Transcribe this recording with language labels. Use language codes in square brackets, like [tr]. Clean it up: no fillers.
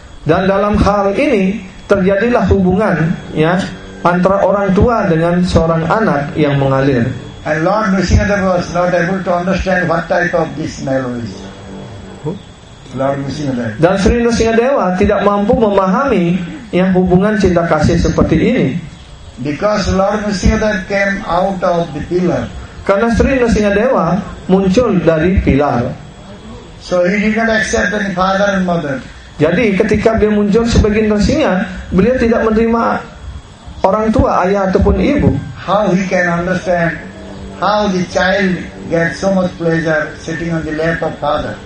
[id] Dan dalam hal ini terjadilah hubungan, ya, antara orang tua dengan seorang anak yang mengalir. [en] And Lord Nrisimha Dewa was not able to understand what type of this mellow is. Lord Nrisimha Dewa. [id] Dan Sri Nrisimha Dewa tidak mampu memahami yang hubungan cinta kasih seperti ini. [en] Because Lord Nrisimha Dewa came out of the pillar. [id] Karena Sri Nrisimha Dewa muncul dari pilar. [en] So he did not accept any father and mother. [id] Jadi ketika dia muncul sebagai Nrisimha, beliau tidak menerima orang tua, ayah ataupun ibu. [en] How he can understand how the child gets so much pleasure sitting on the lap of father?